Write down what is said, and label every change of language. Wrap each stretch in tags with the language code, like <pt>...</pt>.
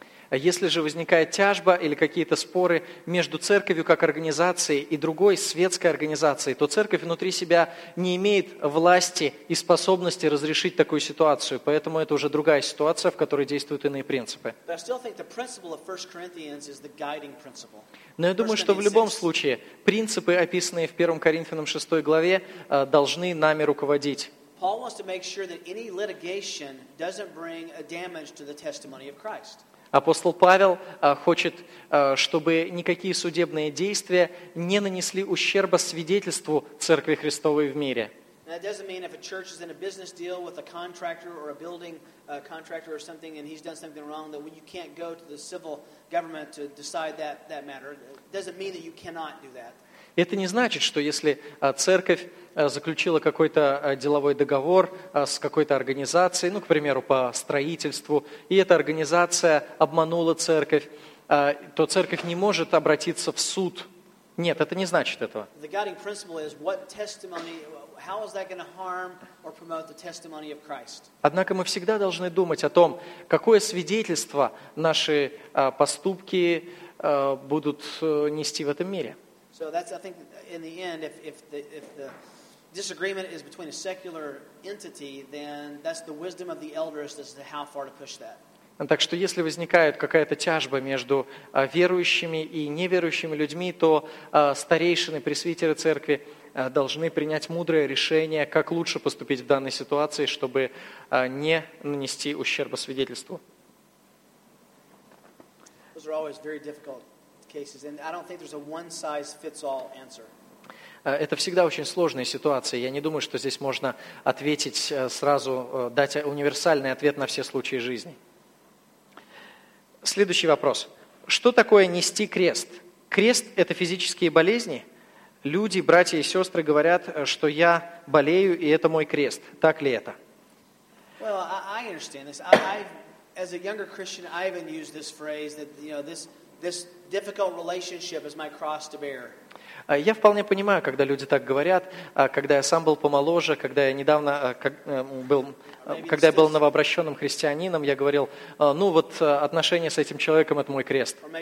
<ru>Если же возникает тяжба или какие-то споры между церковью как организацией и другой светской организацией, то церковь внутри себя не имеет власти и способности разрешить такую ситуацию. Поэтому это уже другая ситуация, в которой действуют иные принципы. Но я думаю, что в любом случае принципы, описанные в 1 Коринфянам 6 главе, должны нами руководить.</ru> <en>Paul wants to make sure that any litigation doesn't bring a damage to the testimony of Christ.</en> <ru>Апостол Павел хочет, чтобы никакие судебные действия не нанесли ущерба свидетельству Церкви Христовой в мире.</ru> <en>That doesn't mean if a church is in a business deal with a contractor or a building contractor or something and he's done something wrong that you can't go to the civil government to decide that matter. It doesn't mean that you cannot do that.</en> <ru>Это не значит, что если церковь заключила какой-то деловой договор с какой-то организацией, ну, к примеру, по строительству, и эта организация обманула церковь, то церковь не может обратиться в суд. Нет, это не значит этого.</ru> <en>The guiding principle is what testimony, how is that going to harm or promote the testimony of Christ?</en> <ru>Однако мы всегда должны думать о том, какое свидетельство наши поступки будут нести в этом мире.</ru> <en>So that's, I think, in the end, if the disagreement is between a secular entity, then that's the wisdom of the elders as to how far to push that.</en> <ru>Так что если возникает какая-то тяжба между верующими и неверующими людьми, то старейшины, пресвитеры церкви должны принять мудрое решение, как лучше поступить в данной ситуации, чтобы не нанести ущерба свидетельству.</ru> <en>Those are always very difficult cases, and I don't think there's a one-size-fits-all answer.</en> <ru>Это всегда очень сложные ситуации. Я не думаю, что здесь можно ответить сразу, дать универсальный ответ на все случаи жизни. Следующий вопрос. Что такое нести крест? Крест – это физические болезни? Люди, братья и сестры говорят, что я болею, и это мой крест. Так ли это?</ru> <en>Well, I understand this. As a younger Christian, I even used this phrase that, you know, this difficult relationship is my cross to bear.</en> <ru>Я вполне понимаю, когда люди так говорят, когда я сам был помоложе, когда я недавно был, когда я был новообращенным христианином, я говорил, ну вот отношения с этим человеком – это мой крест.</ru>